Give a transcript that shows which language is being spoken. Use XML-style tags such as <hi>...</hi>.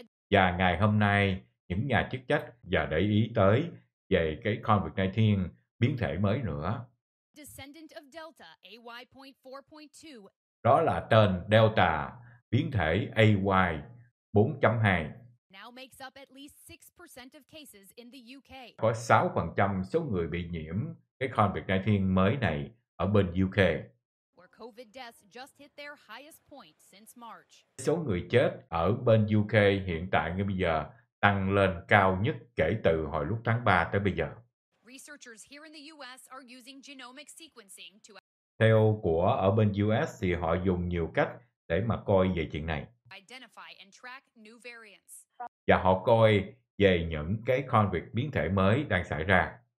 <vi>Và ngày hôm nay, những nhà chức trách và để ý tới về cái COVID-19 biến thể mới nữa.</vi> <en>Descendant of Delta,</en> <vi>AY.4.2. Đó là tên Delta, biến thể AY.4.2.</vi> <en>Now makes up at least 6% of cases in the UK.</en> <vi>Có 6% số người bị nhiễm cái COVID-19 mới này ở bên UK.</vi> <en>COVID deaths just hit their highest point since March.</en> <vi>Số người chết ở bên UK hiện tại ngay bây giờ tăng lên cao nhất kể từ hồi lúc tháng 3 tới bây giờ.</vi> <en>Researchers here in the US are using genomic sequencing to.</en> <vi>Theo của ở bên US thì họ dùng nhiều cách để mà coi về chuyện này.</vi> <en>Identify and track new variants.</en> <vi>Và họ coi về những cái COVID biến thể mới đang xảy ra.</vi>